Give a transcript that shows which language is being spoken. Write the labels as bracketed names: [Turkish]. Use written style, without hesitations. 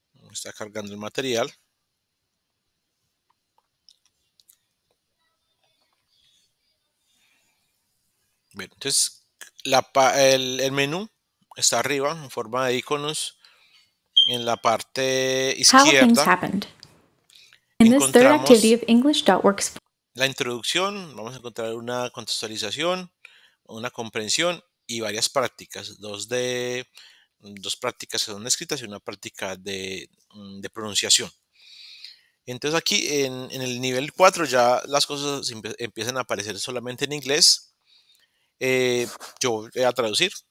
[Spanish] Está cargando el material. Bien, entonces el menú está arriba en forma de iconos en la parte izquierda. [English] How things happened. In this third activity of English.works. [Spanish] La introducción, vamos a encontrar una contextualización, una comprensión y varias prácticas. Dos prácticas que son escritas y una práctica de pronunciación. Entonces aquí en el nivel 4 ya las cosas empiezan a aparecer solamente en inglés. Yo voy a traducir.